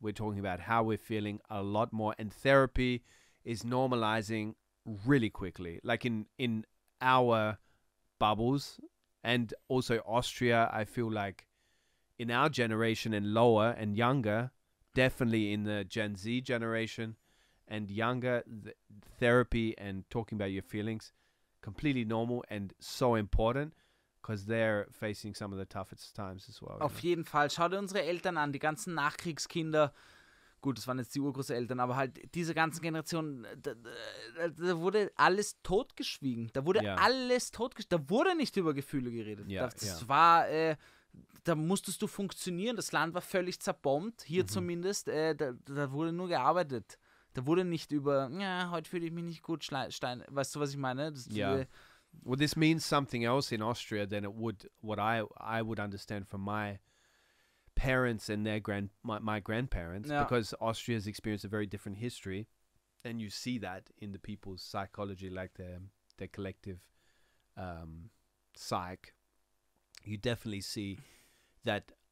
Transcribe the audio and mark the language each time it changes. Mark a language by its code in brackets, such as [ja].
[en] We're talking about how we're feeling a lot more. And therapy is normalizing really quickly, like in our bubbles, and also Austria, I feel like in our generation and lower and younger, definitely in the Gen Z generation and younger, therapy and talking about your feelings, completely normal and so important. Because they're facing some of the toughest times as well. [de] Auf jeden Fall. Schau dir unsere Eltern an, die ganzen Nachkriegskinder. Gut, das waren jetzt die Urgroßeltern, aber halt diese ganzen Generationen, da wurde alles totgeschwiegen. Da wurde alles totgeschwiegen. Da wurde nicht über Gefühle geredet. Da musstest du funktionieren. Das Land war völlig zerbombt, hier zumindest. Da wurde nur gearbeitet. Da wurde nicht über, ja, heute fühle ich mich nicht gut, Stein. Weißt du, was ich meine? [en] Well, this means something else in Austria than it would, what I would understand from my parents and my grandparents, because Austria has experienced a very different history, and you see that in the people's psychology, like their collective psyche. You definitely see that